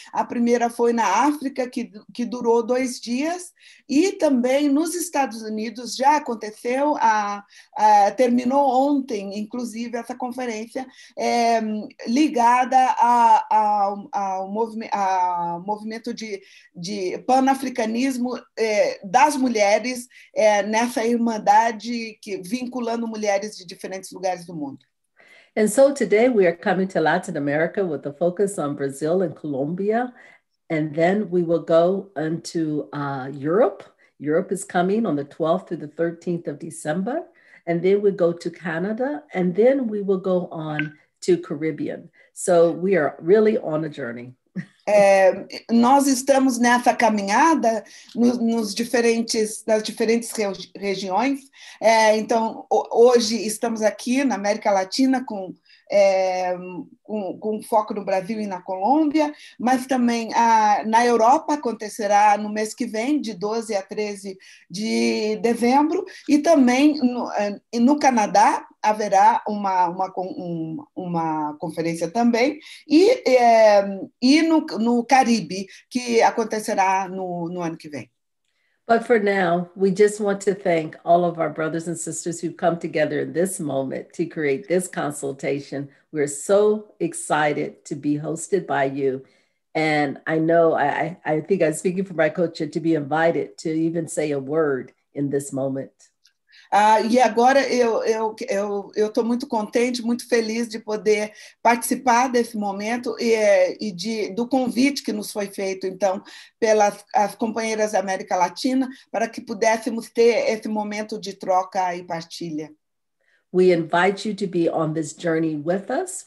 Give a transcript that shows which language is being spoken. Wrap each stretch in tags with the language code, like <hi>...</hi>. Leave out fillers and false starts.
<pt>A primeira foi na África, que durou 2 dias, e também nos Estados Unidos já aconteceu, terminou ontem, inclusive, essa conferência ligada ao movimento de panafricanismo das mulheres nessa irmandade que vinculando mulheres de diferentes lugares do mundo.</pt> <en>And so today we are coming to Latin America with a focus on Brazil and Colombia. And then we will go into Europe. Europe is coming on the 12th through the 13th of December. And then we go to Canada. And then we will go on to Caribbean. So we are really on a journey.</en> <pt>Nós estamos nessa caminhada nas diferentes regiões. Então, hoje estamos aqui na América Latina com foco no Brasil e na Colômbia, mas também na Europa acontecerá no mês que vem, de 12 a 13 de dezembro, e também no Canadá haverá uma conferência também, e no Caribe, que acontecerá no ano que vem.</pt> <en>But for now, we just want to thank all of our brothers and sisters who've come together in this moment to create this consultation. We're so excited to be hosted by you. And I know, I think I'm speaking for my culture, to be invited to even say a word in this moment.</en> <pt>E agora eu estou muito contente, muito feliz de poder participar desse momento e do convite que nos foi feito, então, pelas as companheiras da América Latina, para que pudéssemos ter esse momento de troca e partilha.</pt> <en>We invite you to be on this journey with us.</en>